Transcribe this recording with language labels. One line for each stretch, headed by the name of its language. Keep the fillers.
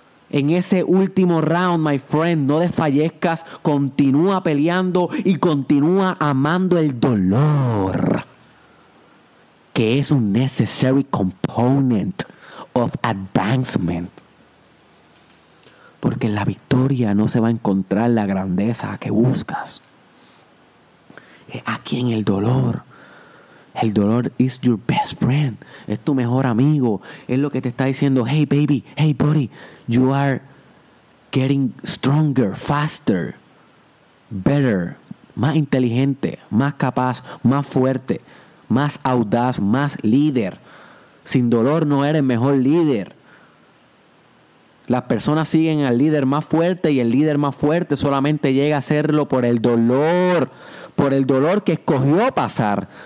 Spanish: En ese último round,
English: my friend,
Spanish: no desfallezcas, continúa peleando y continúa amando el dolor que es un
English: necessary component of advancement.
Spanish: Porque en la victoria no se va a encontrar la grandeza que buscas. Es aquí en el dolor. El dolor
English: is your best friend.
Spanish: Es tu mejor amigo. Es lo que te está diciendo,
English: hey baby, hey buddy, you are getting stronger, faster, better,
Spanish: más inteligente, más capaz, más fuerte, más audaz, más líder. Sin dolor no eres mejor líder. Las personas siguen al líder más fuerte y el líder más fuerte solamente llega a hacerlo por el dolor, por el dolor que escogió pasar.